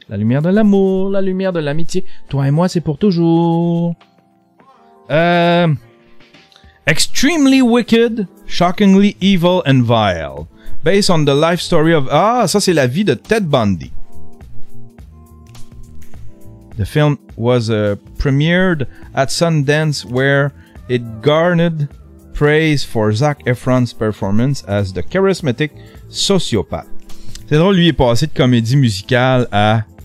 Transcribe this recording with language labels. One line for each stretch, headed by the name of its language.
French: La lumière de l'amour. La lumière de l'amitié. Toi et moi, c'est pour toujours.
English: Extremely Wicked, Shockingly Evil and Vile. Based on the life story of...
French: Ah, ça c'est la vie de Ted Bundy.
English: The film was premiered at Sundance where it garnered praise for Zac Efron's performance as the charismatic sociopath.
French: C'est drôle, lui il est passé de comédie musicale à...